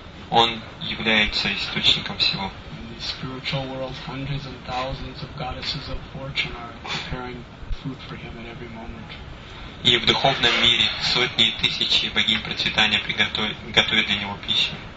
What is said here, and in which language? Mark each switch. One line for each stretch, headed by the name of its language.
Russian: Он является источником всего.
English: In the spiritual world, hundreds and thousands of goddesses of fortune are preparing food for him at every moment.
Russian: И в духовном мире сотни и тысячи богинь процветания готовят для него пищу.